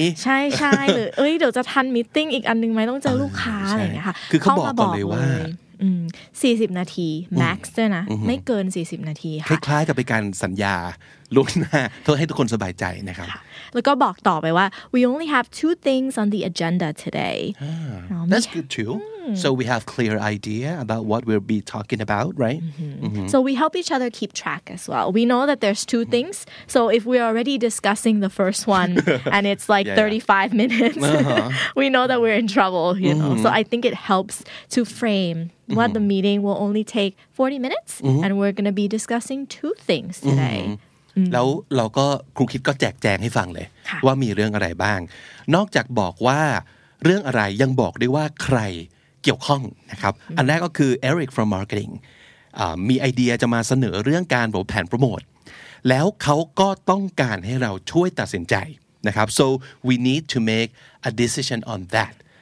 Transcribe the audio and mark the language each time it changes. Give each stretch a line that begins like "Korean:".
Thai: ใช่ใช่หรือเอ้ยเดี๋ยวจะทันมีติ้งอีกอันนึงไหมต้องเจอลูกค้าอะไรอย่างเงี้ยค่ะ คือเขาบอกก่อนเลยว่า 40นาที max ด้วยนะไม่เกิน40นาทีค่ ะ คล้ายๆกับเป็นการสัญญาล่วงหน้าเพื่อให้ทุกคนสบายใจนะครับ แล้วก็บอกต่อไปว่า
English: we only have two things on the agenda today that's good too so we have clear idea about what we'll be talking about right so we help each other keep track as well we know that there's two things so if we're already discussing the first one and it's like 35 minutes we know that we're in trouble you know so I think it helps to frameWhat the meeting will only take 40 minutes and we're going to be discussing two things today
Thai: แล้วเราก็ครูคิดก็แจกแจงให้ฟังเลยว่ามีเรื่องอะไรบ้างนอกจากบอกว่าเรื่องอะไรยังบอกด้วยว่าใครเกี่ยวข้องนะครับอันแรกก็คือ Eric from marketing มีไอเดียจะมาเสนอเรื่องการแบบแผนโปรโมทแล้วเขาก็ต้องการให้เราช่วยตัดสินใจนะครับ
English: so we need to make a decision on that